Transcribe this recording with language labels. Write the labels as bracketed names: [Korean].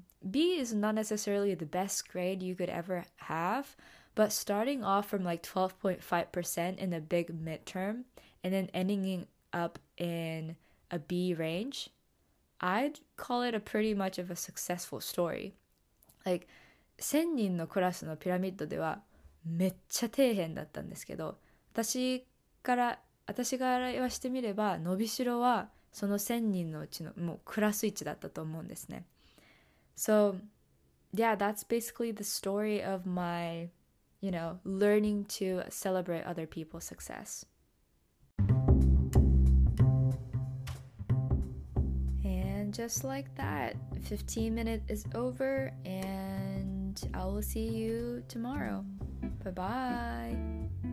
[English] B is not necessarily the best grade you could ever have, But starting off from like 12.5% in a big midterm and then ending up in a B range, I'd call it a pretty much of a successful story. [Japanese] Like, 1000人のクラスのピラミッドではめっちゃ底辺だったんですけど、私から言わしてみれば伸びしろはその1000人のうちのもうクラス1だったと思うんですね。 [English] So yeah, that's basically the story of my, you know, learning to celebrate other people's success. And just like that, 15 minutes is over and I will see you tomorrow. Bye bye.